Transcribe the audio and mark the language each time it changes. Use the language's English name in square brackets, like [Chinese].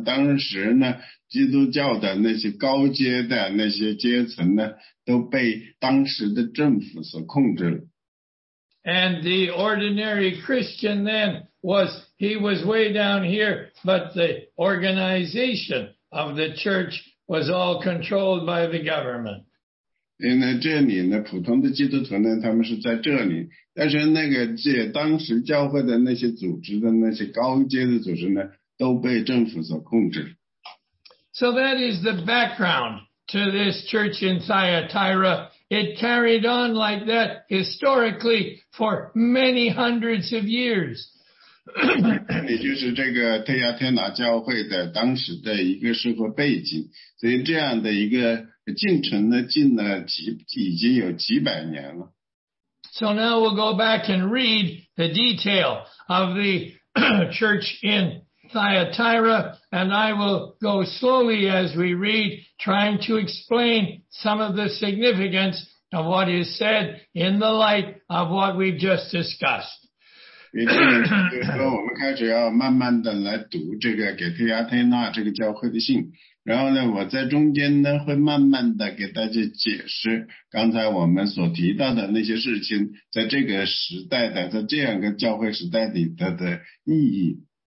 [Chinese] 当时呢，基督教的那些高阶的那些阶层呢，都被当时的政府所控制了。 [English] And the ordinary Christian then was way down here, but the organization of the church was all controlled by the government. [Chinese] 因为这里呢，普通的基督徒呢，他们是在这里，但是那个当时教会的那些组织的那些高阶的组织呢，都被政府所控制。 [English] So that is the background to this church in Thyatira. It carried on like that historically for many hundreds of years. [Chinese] 也就是这个特亚天拿教会的当时的一个社会背景，所以这样的一个进程呢，进了已经有几百年了。 [English] So now we'll go back and read the detail of the church in Thyatira, and I will go slowly as we read, trying to explain some of the significance of what is said in the light of what we've just discussed. [Chinese] 也就是说，我们开始要慢慢的来读这个给提亚特纳这个教会的信，然后呢，我在中间呢会慢慢的给大家解释刚才我们所提到的那些事情，在这个时代的，在这样个教会时代里的意义。